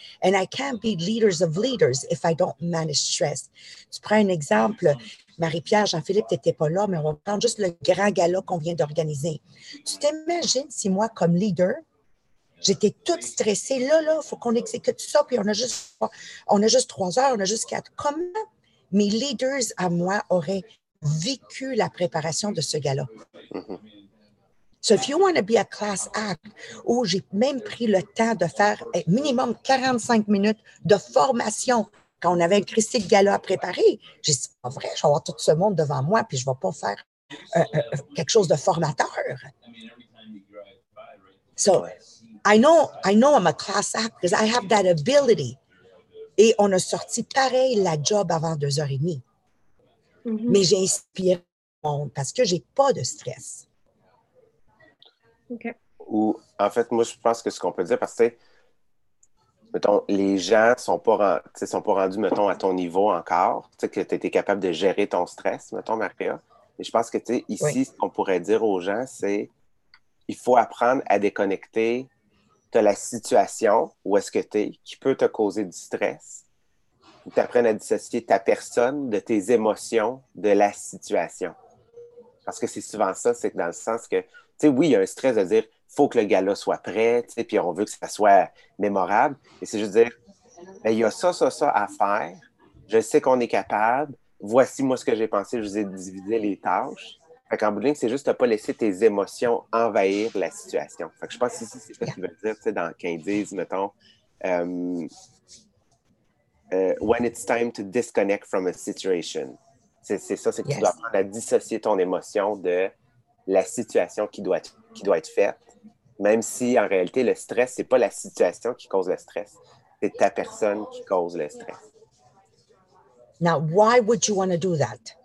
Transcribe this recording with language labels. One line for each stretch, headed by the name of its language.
English: And I can't be leaders of leaders if I don't manage stress.
French: Tu prends un exemple, Marie-Pierre, Jean-Philippe, tu n'étais pas là, mais on va prendre juste le grand gala qu'on vient d'organiser. Tu t'imagines si moi, comme leader, j'étais toute stressée, là, il faut qu'on exécute ça, puis on a juste 3 heures, on a juste 4. Comment? Mes leaders à moi auraient vécu la préparation de ce gala.
English: So if you want to be a class act,
French: où j'ai même pris le temps de faire minimum 45 minutes de formation quand on avait un Christy de gala à préparer, j'ai dit, c'est pas vrai, je vais avoir tout ce monde devant moi puis je ne vais pas faire quelque chose de formateur.
English: So I know I'm a class act because I have that ability.
French: Et on a sorti pareil la job avant 2h30. Mm-hmm. Mais j'ai inspiré parce que je n'ai pas de stress. Okay. Ou en fait, moi, je pense que ce qu'on peut dire, parce que mettons, les gens sont pas rendus, mettons, à ton niveau encore. Tu sais, que tu étais capable de gérer ton stress, mettons, Maria. Et je pense que ici, ce qu'on pourrait dire aux gens, c'est il faut apprendre à déconnecter de la situation où est-ce que tu es, qui peut te causer du stress. Ou tu apprennes à dissocier ta personne de tes émotions, de la situation. Parce que c'est souvent ça, c'est dans le sens que, tu sais, oui, il y a un stress de dire, il faut que le gala soit prêt, tu sais, puis on veut que ça soit mémorable. Et c'est juste dire, bien, il y a ça à faire. Je sais qu'on est capable. Voici, moi, ce que j'ai pensé. Je vous ai divisé les tâches. Fait qu'en bout de ligne, c'est juste de ne pas laisser tes émotions envahir la situation. Fait que je pense que c'est ça que tu veux dire, tu sais, dans Quindiz, mettons.
English: When it's time to disconnect from a situation.
French: C'est ça, que tu dois apprendre à dissocier ton émotion de la situation qui doit être faite. Même si, en réalité, le stress, c'est pas la situation qui cause le stress. C'est ta personne qui cause le stress.
English: Now, why would you want to do that?